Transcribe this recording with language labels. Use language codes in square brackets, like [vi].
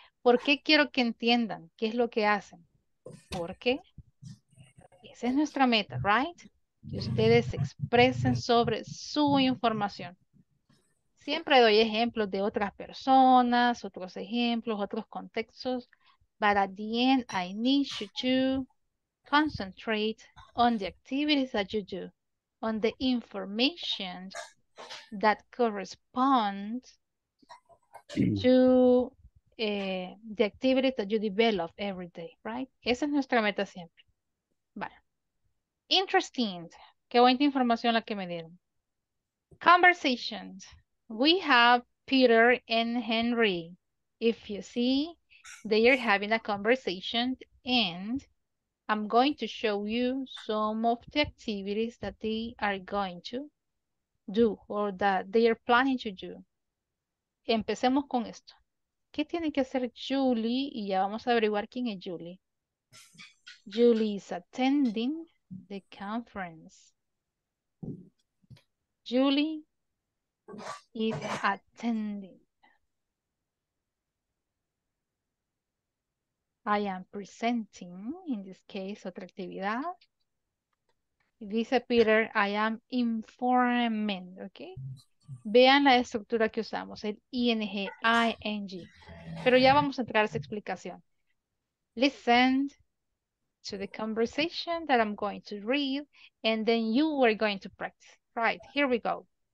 [es] ¿Por qué quiero que entiendan qué es lo que hacen? Porque esa es nuestra meta, right? Que ustedes expresen sobre su información. Siempre doy ejemplos de otras personas, otros ejemplos, otros contextos. [en] But at the end, I need you to concentrate on the activities that you do, on the information that corresponds to the activities that you develop every day, right? [es] Esa es nuestra meta siempre. Vale. [en] Interesting. [es] Qué buena información la que me dieron. Conversations. [en] We have Peter and Henry. If you see, they are having a conversation and I'm going to show you some of the activities that they are going to do or that they are planning to do. [es] Empecemos con esto. ¿Qué tiene que hacer Julie? Y ya vamos a averiguar quién es Julie. [en] Julie is attending the conference. Julie is attending. I am presenting, in this case, [es] otra actividad. Dice [en] Peter, I am informing, okay? [es] Vean la estructura que usamos, el ing, ing. Pero ya vamos a entrar a esa explicación. [en] Listen to the conversation that I'm going to read, and then you are going to practice. Right, here we go.